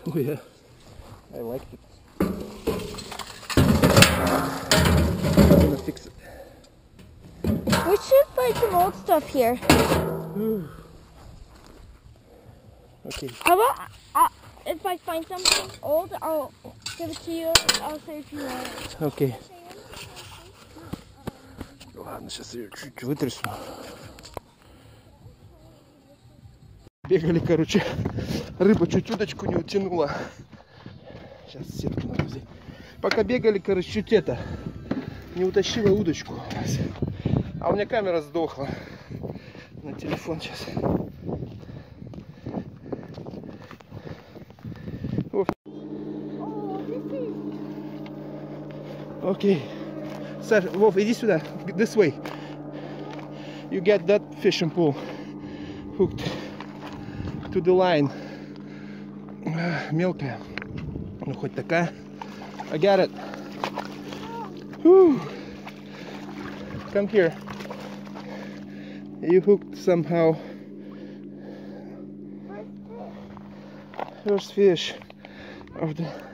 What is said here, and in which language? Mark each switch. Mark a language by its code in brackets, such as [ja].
[en] Oh yeah, I liked it. I'm gonna fix it. We should find some old stuff here. Okay. How about if I find something old, I'll give it to you. I'll say if you want. Okay. [ru] Ладно, сейчас я ее чуть-чуть вытрясу. Бегали, короче. Рыба чуть удочку не утянула. Сейчас сетку надо взять. Пока бегали, короче, чуть это. Не утащила удочку. А у меня камера сдохла. На телефон сейчас. Окей. Саш, Вов, иди сюда, [en] this way. You get that fishing pole hooked to the line. [ru] Мелкая, ну хоть такая. [en] I got it. Whew. Come here. You hooked somehow. First fish of the...